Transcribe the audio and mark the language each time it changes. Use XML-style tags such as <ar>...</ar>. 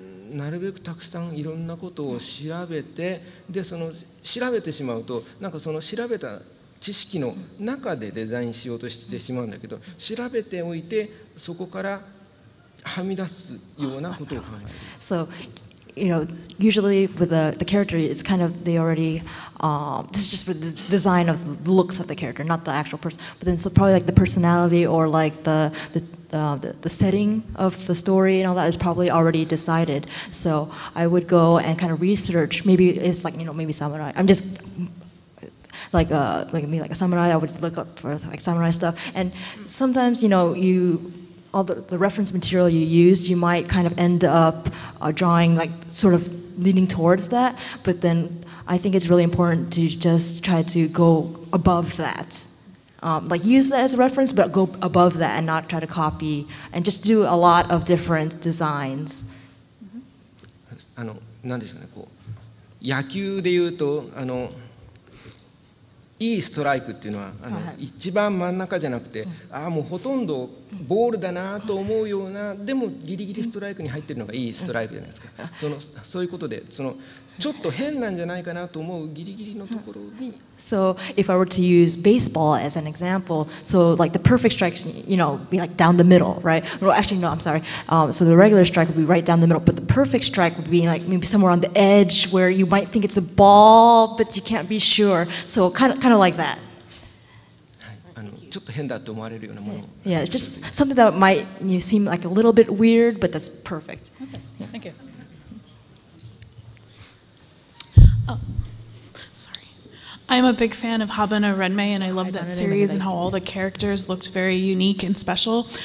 <ja>なるべくたくさんいろんなことを調べて、でその調べてしまうとなんかその調べた知識の中でデザインしようとしてしまうんだけど、調べておいてそこからはみ出すようなことを考える。</ja> <en>So, you know, usually with the character, it's kind of they already, this is just for the design of the looks of the character, not the actual person. But then so probably like the personality or like the setting of the story and all that is probably already decided. So I would go and kind of research. Maybe it's like, you know, maybe samurai. I'm justLike a samurai, I would look up for like samurai stuff. And sometimes, you know, you, all the reference material you used, you might kind of end up drawing like sort of leaning towards that. But then I think it's really important to just try to go above that. Like use that as a reference, but go above that and not try to copy and just do a lot of different designs.</en> <ja>あの、なんでしょうね、こう、野球で言うと、あの、いいストライクっていうのはあの、はいはい、一番真ん中じゃなくて、ああもうほとんどボールだなと思うような、でもギリギリストライクに入ってるのがいいストライクじゃないですか。そういうことで、そのちょっと変なんじゃないかなと思うギリギリのところに。</ja> <en>So if I were to use baseball as an example, so like the perfect strike, you know, be like down the middle, right? Well, actually, no, I'm sorry. So the regular strike would be right down the middle, but the perfect strike would be like maybe somewhere on the edge where you might think it's a ball, but you can't be sure. So kind of like that.</en> <ja>あのちょっと変だと思われるようなもの。</ja> <en>Yeah, it's just something that might seem like a little bit weird, but that's perfect. Okay, thank you. I'm a big fan of Habana Renmei, and I love that series and how all the characters looked very unique and special.</en>